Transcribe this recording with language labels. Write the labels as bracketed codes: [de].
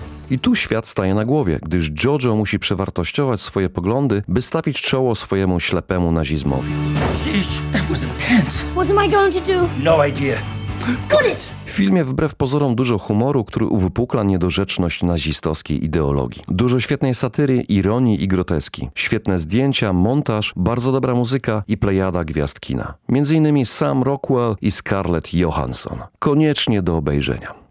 [pl] I tu świat staje na głowie, gdyż Jojo musi przewartościować swoje poglądy, by stawić czoło swojemu ślepemu nazizmowi. [en] Jeez, that was intense. What am I going to do? No idea. [pl] Koniec! W filmie wbrew pozorom dużo humoru, który uwypukla niedorzeczność nazistowskiej ideologii. Dużo świetnej satyry, ironii i groteski. Świetne zdjęcia, montaż, bardzo dobra muzyka i plejada gwiazd kina. Między innymi Sam Rockwell i Scarlett Johansson. Koniecznie do obejrzenia.